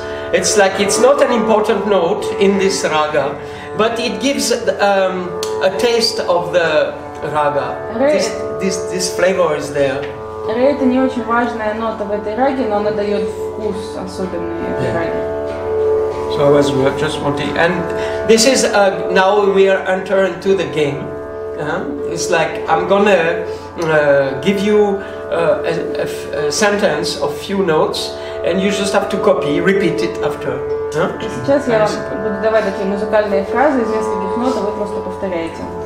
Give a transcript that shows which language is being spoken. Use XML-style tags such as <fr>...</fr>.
<en>it's like it's not an important note in this raga, but it gives a taste of the raga. This flavor is there.</en> <ru>Ре это не очень важная нота в этой раге, но она дает вкус особенный раге.</ru> <en>So I was just wanting, and this is now we are entering to the game. It's like I'm gonna give you a sentence of few notes, and you just have to copy, repeat it after.</en> <ru>Сейчас я вам буду давать такие музыкальные фразы из нескольких нот, а вы просто повторяете.</ru>